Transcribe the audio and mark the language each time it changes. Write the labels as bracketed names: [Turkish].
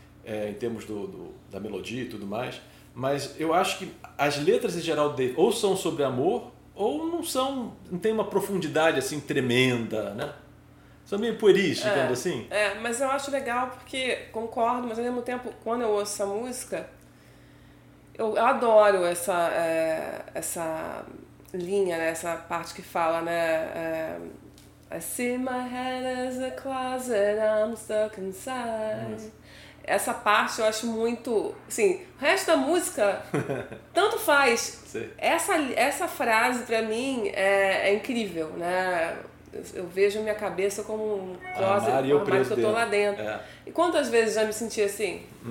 [Portuguese] Em termos da melodia e tudo mais, mas eu acho que as letras em geral dele ou são sobre amor ou não são, não tem uma profundidade assim tremenda, né? São meio pueris, digamos assim. Mas eu acho legal porque concordo, mas ao mesmo tempo, quando eu ouço essa música, eu adoro essa linha, né? Essa parte que fala, né? [English] I see my head as a closet, I'm stuck inside. [Portuguese] Essa parte eu acho muito... assim, o resto da música, tanto faz. Essa frase, pra mim, é incrível, né? Eu vejo a minha cabeça como um closet, mas eu tô dentro. Lá dentro. E quantas vezes já me senti assim?